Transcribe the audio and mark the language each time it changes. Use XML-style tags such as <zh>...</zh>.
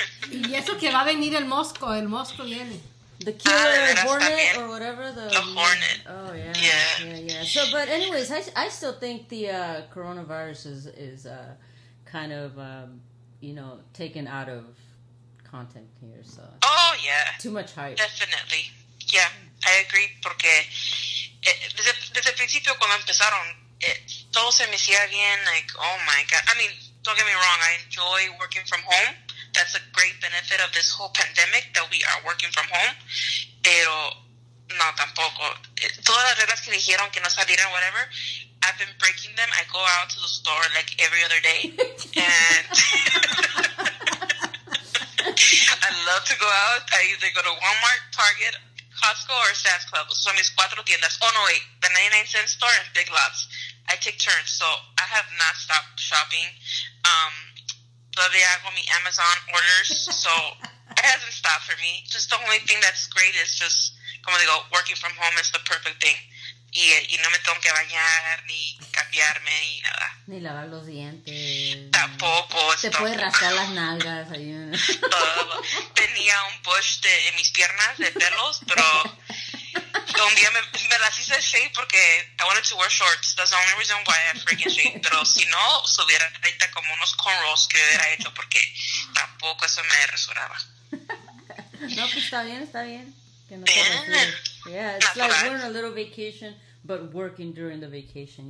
<es>Y eso que va a venir el mosco viene.</es> <en>The killer hornet or whatever. The hornet. Oh, yeah. Yeah. So, but anyways, I still think the coronavirus is kind of taken out of content here. So. Oh, yeah. Too much hype. Definitely. Yeah, I agree.</en> <es>Porque desde el principio cuando empezaron, todo se me hacía bien.</es> <en>Like, oh, my God. I mean, don't get me wrong. I enjoy working from home. That's a great benefit of this whole pandemic, that we are working from home.</en> <es>Pero, no, tampoco. Todas las reglas que dijeron que no salieran, whatever,</es> <en>I've been breaking them. I go out to the store, like, every other day. And I love to go out. I either go to Walmart, Target, Costco, or Sam's Club.</en> <es>Son mis cuatro tiendas.</es> <en>Oh, no, wait. The 99-cent store and Big Lots. I take turns, so I have not stopped shopping. They have me Amazon orders, so it hasn't stopped for me. Just the only thing that's great is just,</en> <es>como digo,</es> <en>working from home is the perfect thing.</en> <es>Y no me tengo que bañar, ni cambiarme, ni nada. Ni lavar los dientes. Tampoco. Te puedes rascar las nalgas ahí. Tenía un bush en mis piernas de pelos, pero un día me las hice shape porque</es> <en>I wanted to wear shorts. That's the only reason why I freaking shape.</en> <es>Pero si no, subiera ahorita como unos cornrows que hubiera hecho porque tampoco eso me resuraba. No, pues está bien. Que no te refieres.</es> <en>Yeah, it's not like doing a little vacation, but working during the vacation.</en>